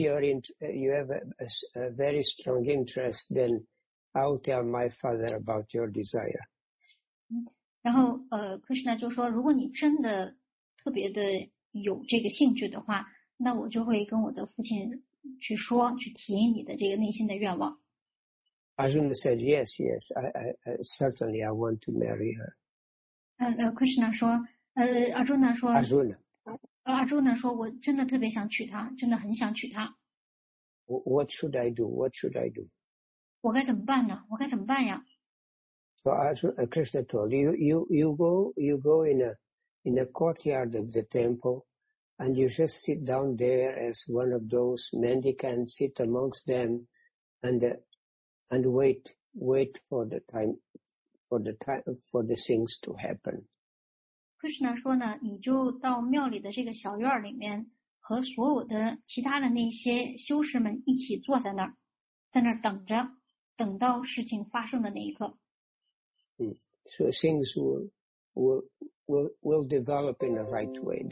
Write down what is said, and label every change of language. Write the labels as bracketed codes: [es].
[en] If you really have a very strong interest, then I'll tell my father about your desire. [zh] 然后Krishna 就说，如果你真的特别的有这个兴趣的话，那我就会跟我的父亲去说，去提你的这个内心的愿望。 [en] Arjuna said, "Yes, yes, I certainly I want to marry her." [zh] Krishna 说，Arjuna 说。 [en] Arjuna. [zh] 阿朱呢说，我真的特别想娶她，真的很想娶她。 [en] What should I do? What should I do? [zh] 我该怎么办呢？我该怎么办呀？ [en] So Arjuna, Krishna told you, you go in a courtyard of the temple, and you just sit down there as one of those mendicants, sit amongst them, and wait for the things to happen. [zh] Krishna 说呢，你就到庙里的这个小院里面，和所有的其他的那些修士们一起坐在那儿，在那儿等着，等到事情发生的那一刻。 [en] So things will develop in the right way.